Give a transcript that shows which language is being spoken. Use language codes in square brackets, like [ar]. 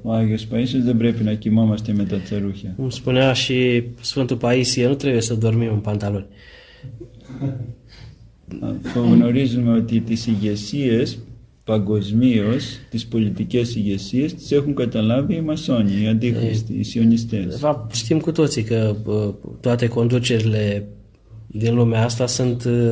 [el] Άγιος Παΐσιος, δεν πρέπει να κοιμόμαστε με τα τσαρούχια. [ro] Cum spunea și Sfântul Paisie, nu trebuie să dormim în pantaloni. [el] Θα γνωρίζουμε ότι τις ηγεσίες παγκοσμίως, τις πολιτικές ηγεσίες, τις έχουν καταλάβει οι μασόνοι, οι αντίχριστοι, οι σιωνιστές. [ro] Știm cu toții că toate conducerile din lumea asta sunt...